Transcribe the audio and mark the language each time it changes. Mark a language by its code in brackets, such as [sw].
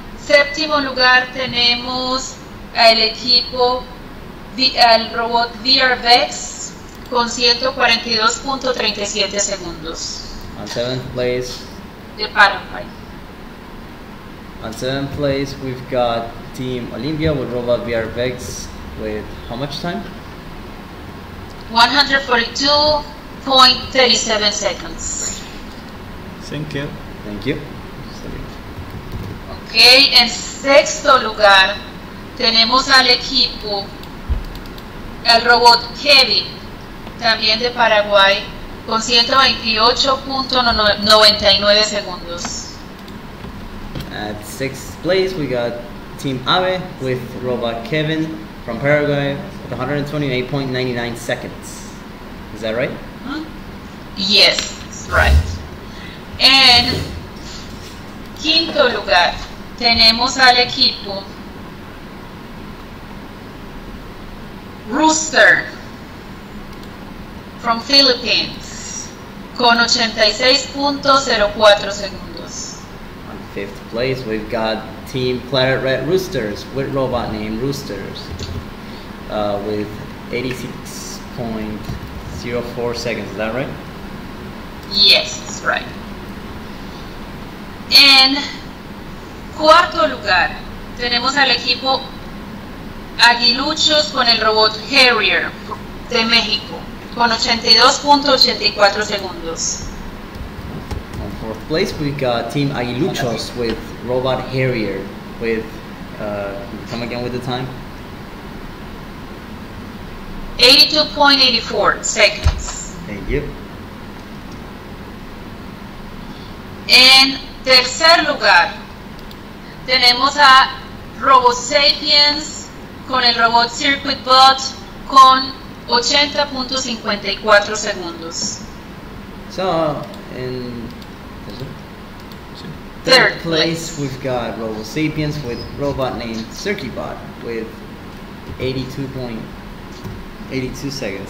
[es] Séptimo lugar tenemos al equipo, al robot VRVEX con 142.37 segundos. [en] On 7th place. [es] De Paraguay. [en] On 7th place, we've got Team Olympia with robot VRVEX with how much time? 142.37 seconds. Thank you. Thank you. [es] Okay, en sexto lugar tenemos al equipo, el robot Kevin, también de Paraguay, con 128.99 segundos. [en] At sixth place, we got Team Ave with robot Kevin from Paraguay with 128.99 seconds. Is that right? Yes, that's right. [es] En quinto lugar, tenemos al equipo Rooster [en] from Philippines [es] con 86.04 segundos. [en] On fifth place, we've got Team Claret Red Roosters with robot name Roosters with 86.04 seconds. Is that right? Yes, that's right. [es] En cuarto lugar, tenemos al equipo Aguiluchos con el robot Harrier de México con 82.84 segundos. [en] On fourth place, we got Team Aguiluchos with robot Harrier with, come again with the time? 82.84 seconds. Thank you. [es] En tercer lugar, tenemos a RoboSapiens con el robot CircuitBot con 80.54 segundos. [en] So, in third place, we've got RoboSapiens with robot named CircuitBot with 82 seconds.